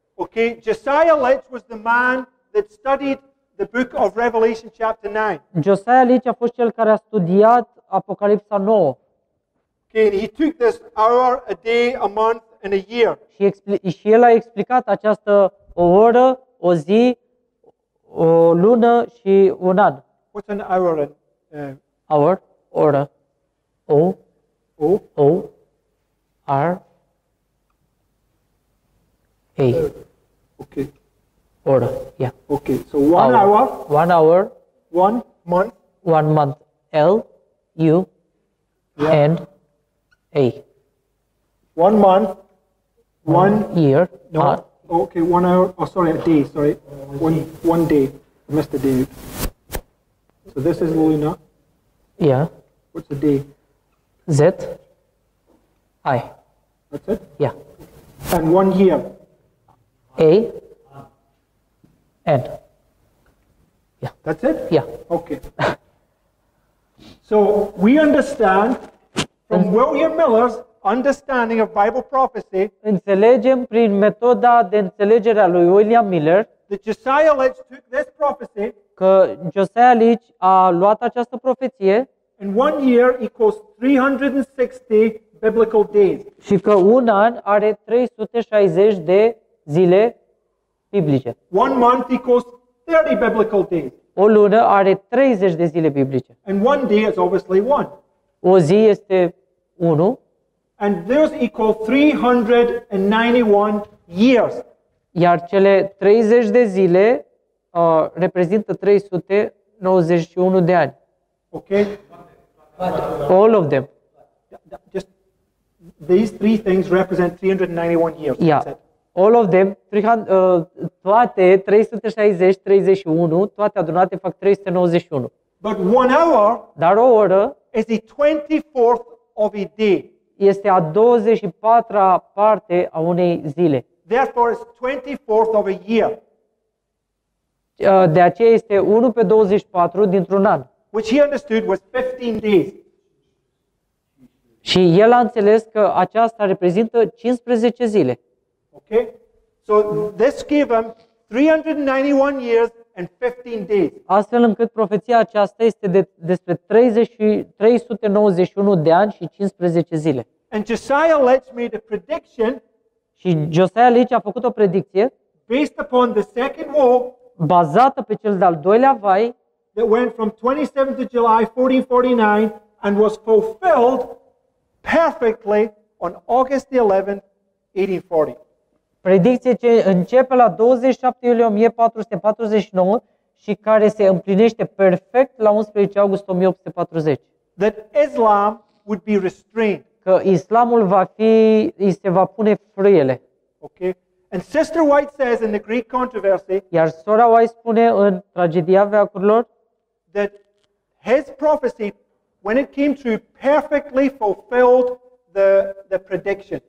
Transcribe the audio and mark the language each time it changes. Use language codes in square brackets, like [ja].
[en] Okay, Josiah Leach was the man that studied the book of Revelation chapter 9. [ro] Josiah Leach a fost cel care a studiat Apocalipsa 9. [en] Okay, and he took this hour, a day, a month, and a year. [ro] Și el a explicat această o oră, o zi, o lună și un an. [en] What's an hour? [ro] Hour, oră. O. O. O. R. A. [en] Okay. [ro] Oră, yeah. [en] Okay, so one hour. One hour. One month. One month. L, U, yeah. And A. One month. One year. No. Okay, one hour. Oh, sorry, a day. Sorry. One day. I missed a day. So this is Luna. Yeah. What's the day? Z. I. That's it? Yeah. And one year. A. N. Yeah. That's it? Yeah. Okay. So we understand from William Miller's understanding of Bible prophecy. [ro] Înțelegem prin metoda de înțelegere a lui William Miller. [en] That Josiah Leach took this prophecy. [ro] Că Josiah Leach a luat această profeție. [en] In one year equals 360 biblical days. [ro] Și că un an are 360 de zile biblice. [en] One month equals 30 biblical days. [ro] O lună are 30 de zile biblice. [en] And one day is obviously one. [ro] O zi este 1. [en] And those equal 391 years. [ro] Iar cele 30 de zile reprezintă 391 de ani. [en] Okay? All of them. Just these three things represent 391 years. [ro] Yeah. [en] All of them, [ro] toate 360, 31, toate adunate fac 391. [en] But one hour, [ro] dar o oră, [en] is the 24th of a day. [ro] Este a 24-a parte a unei zile. [en] Therefore, it's 24th of a year. [ro] De aceea este 1 pe 24 dintr-un an. [en] Which he understood was 15 days. [ro] Și el a înțeles că aceasta reprezintă 15 zile. [en] Okay? So this gave him 391 years and 15 days. [ro] Astfel încât profeția aceasta este despre 391 de ani și 15 zile. [en] And Josiah Leach made a prediction. [ro] Și Josiah Leach a făcut o predicție. [en] Based upon the second wall, [ro] bazată pe cel de-al doilea vai, [en] that went from 27th of July 1449 and was fulfilled perfectly on August the 11th, 1840. [ro] Predicție ce începe la 27 iulie 1449 și care se împlinește perfect la 11 august 1840. [en] That Islam would be restrained. [ro] Că Islamul va fi, îi se va pune frâiele. [en] Okay. And Sister White says in the Greek controversy. [ro] Iar sora White spune în tragedia veacurilor. [en] That his prophecy, when it came true, perfectly fulfilled the prediction.